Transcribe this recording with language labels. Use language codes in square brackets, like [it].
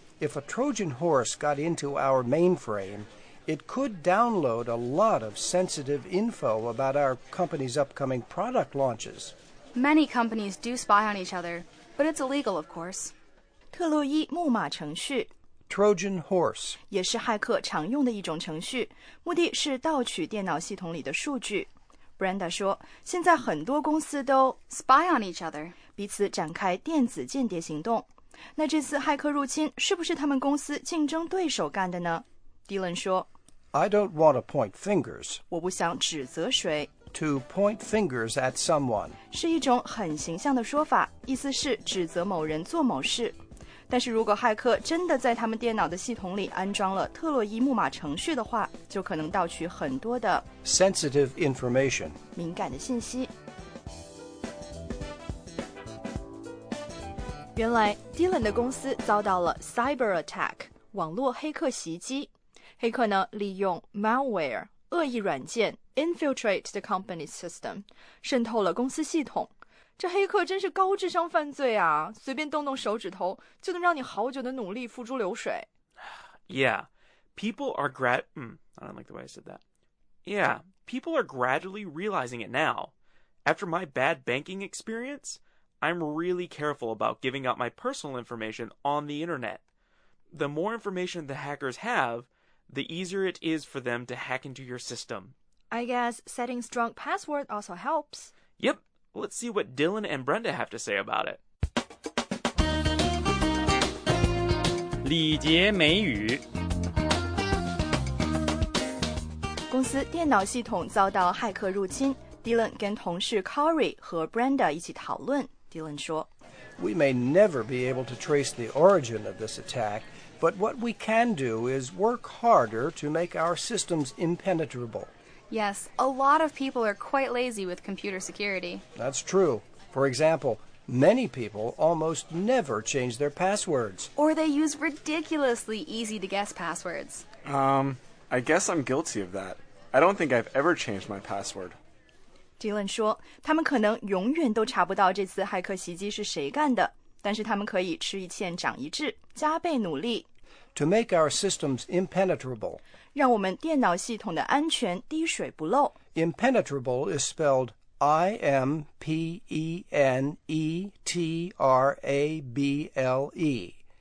[en] If a Trojan horse got into our mainframe, it could download a lot of sensitive info about our company's upcoming product launches. Many companies do spy on each other, but it's illegal, of course. [zh] 特洛伊木马程序 [en] Trojan horse [zh] 也是骇客常用的一种程序，目的是盗取电脑系统里的数据。 Brenda 说，现在很多公司都 [en] spy on each other, [zh] 彼此展开电子间谍行动。那这次骇客入侵是不是他们公司竞争对手干的呢？ Dylan 说 [en] I don't want to point fingers. [zh] 我不想指责谁。 [en] To point fingers at someone [zh] 是一种很形象的说法，意思是指责某人做某事。但是如果骇客真的在他们电脑的系统里安装了特洛伊木马程序的话，就可能盗取很多的 [en] sensitive information [zh] 敏感的信息。原来 Dylan 的公司遭到了 cyber attack 网络黑客袭击，黑客呢利用 malware 恶意软件。 [en] Infiltrate the company's system, [zh] 渗透了公司系统。这黑客真是高智商犯罪啊！随便动动手指头就能让你好久的努力付诸流水。 [en] Yeah, people are I don't like the way I said that. Yeah, people are gradually realizing it now. After my bad banking experience, I'm really careful about giving out my personal information on the internet. The more information the hackers have, the easier it is for them to hack into your system. I guess setting strong password also helps. Yep. Let's see what Dylan and Brenda have to say about it. [zh] 礼节美语。公司电脑系统遭到骇客入侵。 Dylan 跟同事 Corey 和 Brenda 一起讨论。Dylan 说 [en] We may never be able to trace the origin of this attack, but what we can do is work harder to make our systems impenetrable. Yes, a lot of people are quite lazy with computer security. That's true. For example, many people almost never change their passwords. Or they use ridiculously easy-to-guess passwords. I guess I'm guilty of that. I don't think I've ever changed my password. [zh] Dylan 说，他们可能永远都查不到这次骇客袭击是谁干的，但是他们可以吃一堑长一智，加倍努力。 [en] To make our systems impenetrable. [zh] 让我们电脑系统的安全滴水不漏。 [en] Impenetrable is spelled I-M-P-E-N-E-T-R-A-B-L-E.